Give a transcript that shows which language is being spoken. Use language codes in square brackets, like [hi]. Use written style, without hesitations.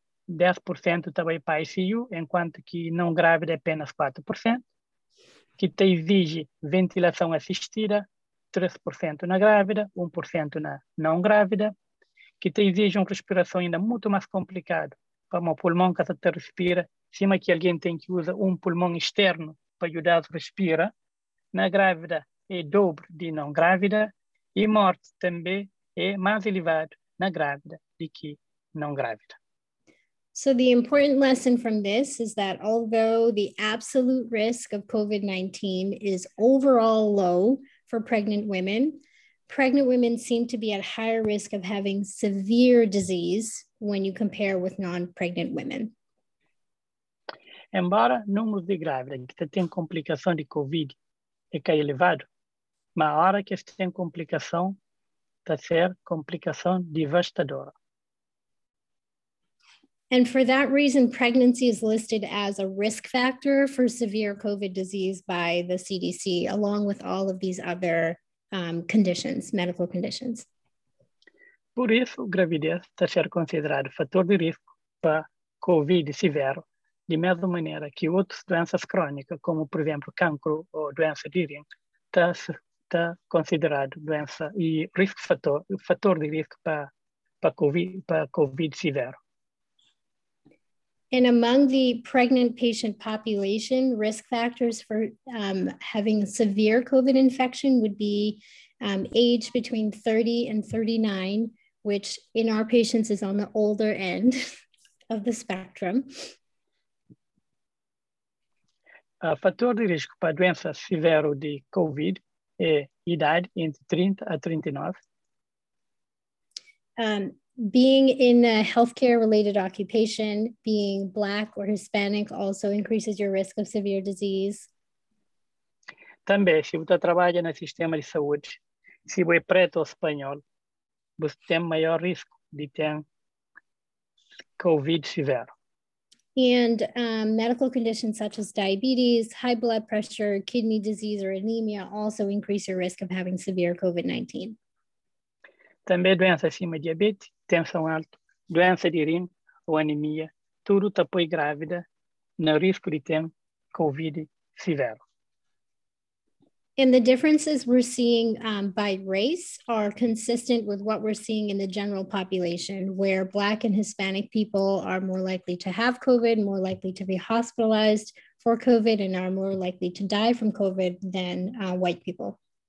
[pt] 10% também para ICU, enquanto que não grávida é apenas 4%, que te exige ventilação assistida, 3% na grávida, 1% na não grávida, que te exige uma respiração ainda muito mais complicada para o pulmão que você respira, cima que alguém tem que usar pulmão externo para ajudar a respirar, na grávida é dobro de não grávida, e morte também é mais elevado na grávida do que não grávida. [en] So the important lesson from this is that although the absolute risk of COVID-19 is overall low for pregnant women seem to be at higher risk of having severe disease when you compare with non-pregnant women. [pt] Embora o número de grávidas que têm complicação de COVID é que é elevado, mas a hora que eles têm complicação, está ser complicação devastadora. [en] And for that reason, pregnancy is listed as a risk factor for severe COVID disease by the CDC, along with all of these other conditions, medical conditions. [pt] Por isso, gravidez está ser considerado fator de risco para COVID severo, de mesma maneira que outras doenças crônicas, como, por exemplo, cancro ou doença de rim, está considerado doença e risco fator de risco para COVID severo. [en] And among the pregnant patient population, risk factors for having a severe COVID infection would be age between 30 and 39, which in our patients is on the older end of the spectrum. [pt] O fator de risco para doença severa de COVID é idade entre 30 a 39. [en] Being in a healthcare-related occupation, being Black or Hispanic, also increases your risk of severe disease. [pt] Também, se você trabalha no sistema de saúde, se você é preto ou espanhol, você tem maior risco de ter COVID severo. [en] And medical conditions such as diabetes, high blood pressure, kidney disease, or anemia also increase your risk of having severe COVID-19. [pt] Também doenças como diabetes, tensão alta, doença de rim ou anemia, tudo te põe grávida no risco de ter COVID severo. [en] And the differences we're seeing by race are consistent with what we're seeing in the general population, where Black and Hispanic people are more likely to have COVID, more likely to be hospitalized for COVID, and are more likely to die from COVID than white people.